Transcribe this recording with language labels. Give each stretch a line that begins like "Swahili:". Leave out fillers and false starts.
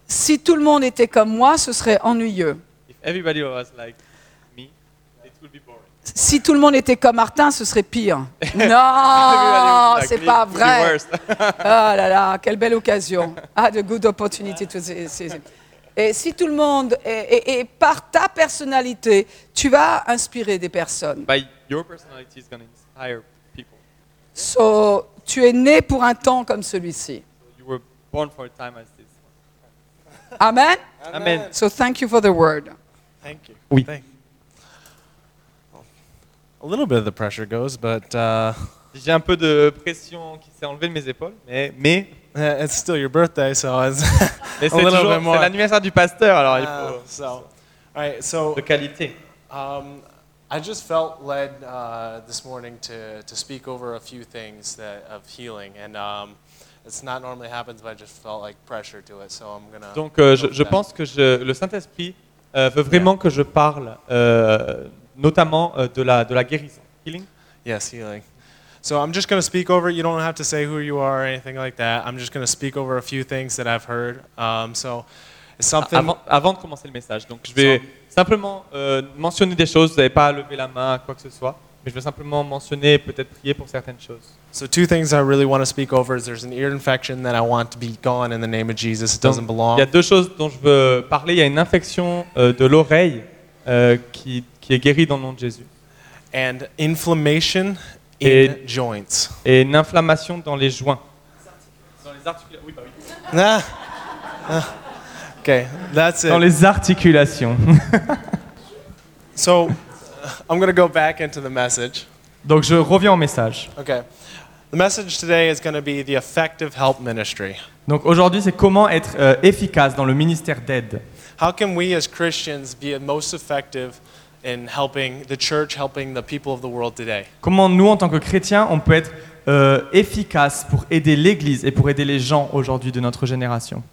French: Si tout le monde était comme moi, ce serait ennuyeux.
English: If everybody was like me, it would be boring.
French: Si tout le monde était comme Martin, ce serait pire. Non, c'est pas vrai. Oh là là, quelle belle occasion.
English: Ah, the good opportunity.
French: Et si tout le monde, et par ta personnalité, tu vas inspirer des personnes.
English: By your personality is going to inspire people.
French: So, tu es né pour un temps comme celui-ci.
English: You were born for a time like this. Amen. Amen. So, thank you for the word. Thank you.
French: Oui.
English: A little bit of the pressure goes, but
French: j'ai un peu de pression qui s'est enlevée de mes épaules, mais
English: it's still your birthday, so it's
French: mais c'est
English: a little
French: toujours,
English: bit more.
French: C'est l'anniversaire du pasteur, alors il faut
English: so,
French: de qualité.
English: I just felt led this morning to speak over a few things that of healing, and it's not normally happens, but I just felt like pressure to it, so I'm gonna.
French: Donc je pense que le Saint-Esprit veut vraiment que je parle. Notamment de la guérison. Healing?
English: Yes, healing. So I'm just going to speak over it. You don't have to say who you are or anything like that. I'm just going to speak over a few things that I've heard. So something.
French: Avant de commencer le message, donc je vais simplement mentionner des choses. Vous n'avez pas à lever la main, quoi que ce soit. Mais je vais simplement mentionner et peut-être prier pour certaines choses.
English: So two things I really want to speak over is there's an ear infection that I want to be gone in the name of Jesus. It doesn't belong.
French: Il y a deux choses dont je veux parler. Il y a une infection de l'oreille qui est guéri dans le nom de Jésus.
English: And inflammation in joints.
French: Et une inflammation dans les joints. Dans les articulations. Oui, bah oui.
English: Okay, that's it.
French: Dans les articulations.
English: So, I'm going to go back into the message.
French: Donc je reviens au message.
English: Okay. The message today is going to be the effective help ministry.
French: Donc aujourd'hui, c'est comment être efficace dans le ministère d'aide.
English: How can we as Christians be the most effective in helping the church, helping the people of the world today.
French: Comment nous, en tant que chrétiens, on peut être efficace pour aider l'Église et pour aider les gens aujourd'hui de notre génération.